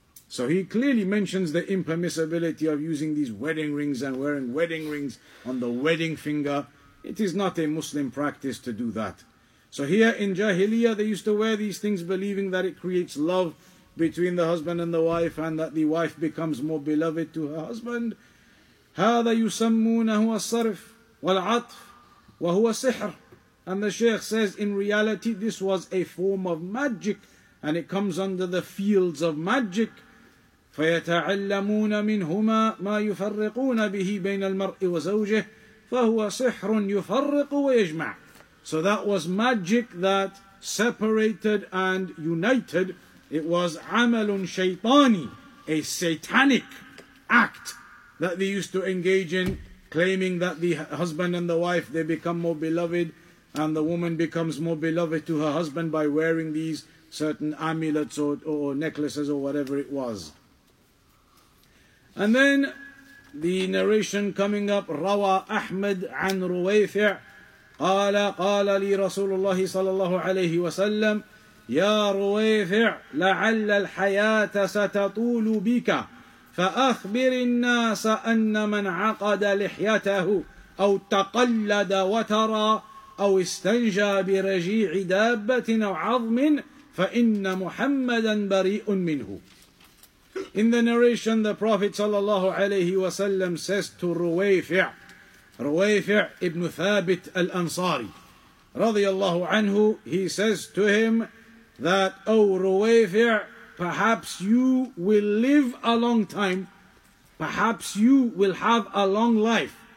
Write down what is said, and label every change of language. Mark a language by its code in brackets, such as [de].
[en] So he clearly mentions the impermissibility of using these wedding rings and wearing wedding rings on the wedding finger. It is not a Muslim practice to do that. So here in Jahiliyyah, they used to wear these things believing that it creates love between the husband and the wife, and that the wife becomes more beloved to her husband. [ar] هذا يسمونه الصرف والعطف وهو سحر. [en] And the Shaykh says, in reality, this was a form of magic, and it comes under the fields of magic. [ar] فَيَتَعَلَّمُونَ مِنْهُمَا مَا يُفَرِّقُونَ بِهِ بَيْنَ الْمَرْءِ وَزَوْجِهِ فَهُوَ صِحْرٌ يُفَرِّقُ وَيَجْمَعُ. [en] So that was magic that separated and united. It was [ar] عَمَلٌ شَيْطَانِ, [en] a satanic act that they used to engage in, claiming that the husband and the wife, they become more beloved, and the woman becomes more beloved to her husband by wearing these certain amulets or necklaces or whatever it was. And then the narration coming up, [ar] روى أحمد عن رويفع قال قال لي رسول الله صلى الله عليه وسلم يا رويفع لعل الحياة ستطول بك فأخبر الناس أن من عقد لحيته أو تقلد وترى أو استنجى برجيع دابة أو عظم فإن محمدا بريء منه. [en] In the narration, the Prophet sallallahu alayhi wa sallam says to Ruwayfi', Ruwayfi' ibn Thabit al-Ansari, radiyallahu anhu, he says to him that, O Ruwayfi', perhaps you will live a long time, perhaps you will have a long life.